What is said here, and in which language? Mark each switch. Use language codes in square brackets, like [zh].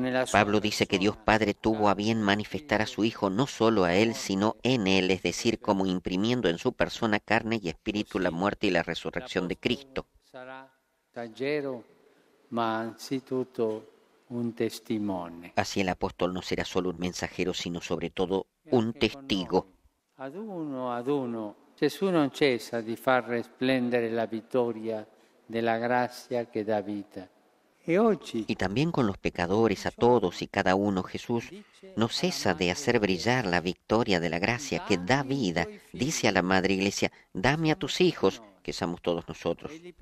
[es] Pablo dice que Dios Padre tuvo a bien manifestar a su Hijo no solo a él, sino en él, es decir, como imprimiendo en su persona carne y espíritu la muerte y la resurrección de Cristo. Así el apóstol no será solo un mensajero, sino sobre todo un testigo. [it] Ad uno, Gesù non cessa di far resplendere la vittoria della grazia che dà vita. [es] Y también con los pecadores, a todos y cada uno, Jesús no cesa de hacer brillar la victoria de la gracia que da vida. Dice a la Madre Iglesia, dame a tus hijos, que somos todos nosotros.